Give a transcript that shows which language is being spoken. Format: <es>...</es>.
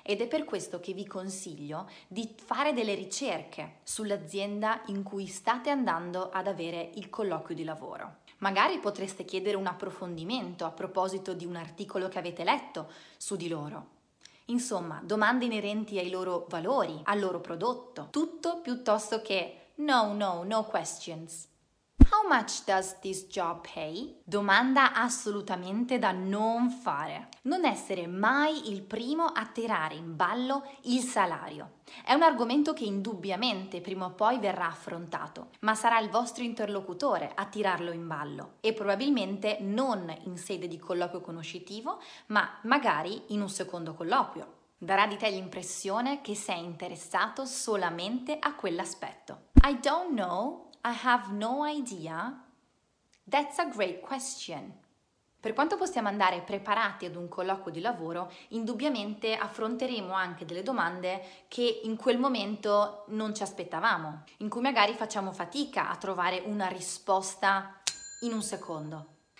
<it>Ed è per questo che vi consiglio di fare delle ricerche sull'azienda in cui state andando ad avere il colloquio di lavoro. Magari potreste chiedere un approfondimento a proposito di un articolo che avete letto su di loro. Insomma, domande inerenti ai loro valori, al loro prodotto. Tutto piuttosto che no questions.</it> <en>How much does this job pay?</en> <it>Domanda assolutamente da non fare. Non essere mai il primo a tirare in ballo il salario. È un argomento che indubbiamente prima o poi verrà affrontato, ma sarà il vostro interlocutore a tirarlo in ballo e probabilmente non in sede di colloquio conoscitivo, ma magari in un secondo colloquio. Darà di te l'impressione che sei interessato solamente a quell'aspetto.</it> <en>I don't know, I have no idea. That's a great question.</en> <it>Per quanto possiamo andare preparati ad un colloquio di lavoro, indubbiamente affronteremo anche delle domande che in quel momento non ci aspettavamo, in cui magari facciamo fatica a trovare una risposta in un secondo.</it>